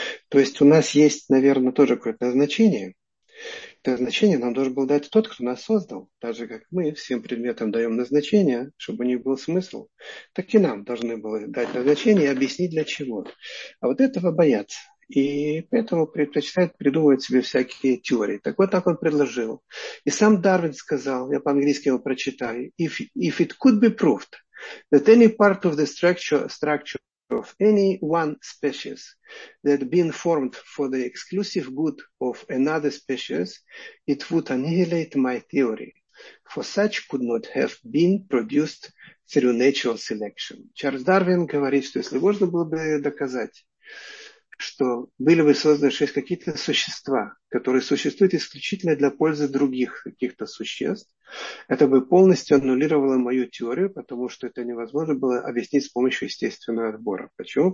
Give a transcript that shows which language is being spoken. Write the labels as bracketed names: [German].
[Russian] То есть у нас есть, наверное, тоже какое-то значение. Это значение нам должен был дать тот, кто нас создал. Так же, как мы всем предметам даем назначение, чтобы у них был смысл, так и нам должны были дать назначение и объяснить для чего. А вот этого боятся. И поэтому предпочитает придумывать себе всякие теории. Так вот так он предложил. И сам Дарвин сказал, я по-английски его прочитаю, [English] if it could be proved that any part of the structure of any one species that been formed for the exclusive good of another species, it would annihilate my theory, for such could not have been produced through natural selection. [Russian] Чарльз Дарвин говорит, что если можно было бы доказать, что были бы созданы шесть какие-то существа, которые существуют исключительно для пользы других каких-то существ, Это бы полностью аннулировало мою теорию, потому что это невозможно было объяснить с помощью естественного отбора. Почему?